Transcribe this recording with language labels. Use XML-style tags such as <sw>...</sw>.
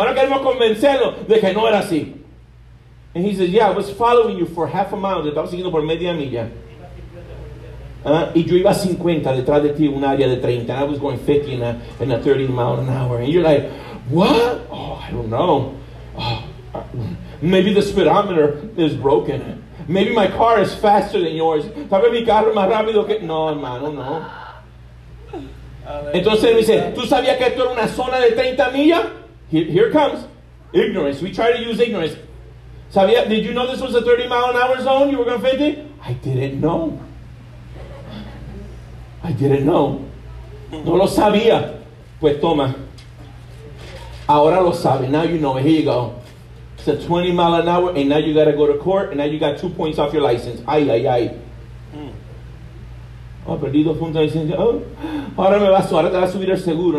<es>Ahora queremos convencerlo de que no era así.</es> <en>And he says, yeah, I was following you for half a mile.</en> <es>Estaba siguiendo por media milla. Y yo iba 50 detrás de ti, un área de 30.</es> <en>And I was going 50 in a 30 mile an hour. And you're like, what? Oh, I don't know. Oh, maybe the speedometer is broken. Maybe my car is faster than yours.</en> <es>Tal vez mi carro más rápido que... No, hermano, no. Entonces él me dice, ¿tú sabías que esto era una zona de 30 millas?</es> <en>Here comes ignorance. We try to use ignorance. ¿Sabía? Did you know this was a 30 mile an hour zone? You were going 50? I didn't know.</en> <es>No lo sabía. Pues toma. Ahora lo sabe.</es> <en>Now you know. Here you go. It's a 20 mile an hour, and now you got to go to court, and now you got 2 points off your license.</en> <es>Ay, ay, ay. Oh, perdí 2 puntos de licencia. Oh, ahora te va a subir el seguro.</es>